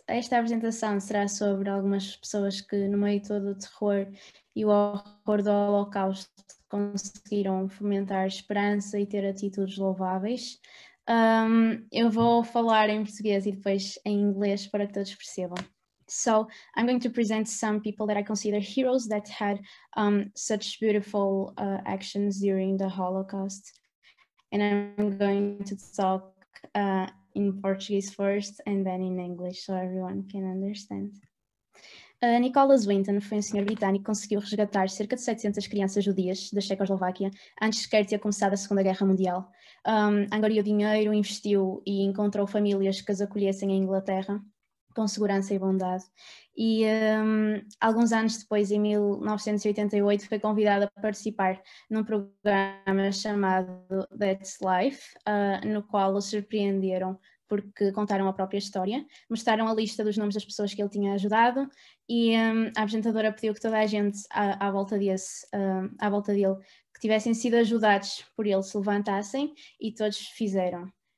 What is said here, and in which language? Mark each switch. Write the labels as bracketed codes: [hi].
[pt] Esta apresentação será sobre algumas pessoas que, no meio de todo o terror e o horror do Holocausto, conseguiram fomentar esperança e ter atitudes louváveis. Eu vou falar em português e depois em inglês para que todos percebam. [en] So I'm going to present some people that I consider heroes that had such beautiful actions during the Holocaust. And I'm going to talk in Portuguese first and then in English so everyone can understand. [pt] Nicola Swinton foi um senhor britânico que conseguiu resgatar cerca de 700 crianças judias da Checoslováquia antes de sequer ter começado a Segunda Guerra Mundial. Angariou dinheiro, investiu e encontrou famílias que as acolhessem em Inglaterra com segurança e bondade. E alguns anos depois, em 1988, foi convidada a participar num programa chamado That's Life, no qual o surpreenderam porque contaram a própria história, mostraram a lista dos nomes das pessoas que ele tinha ajudado e a apresentadora pediu que toda a gente à volta dele, que tivessem sido ajudados por ele, se levantassem, e todos fizeram.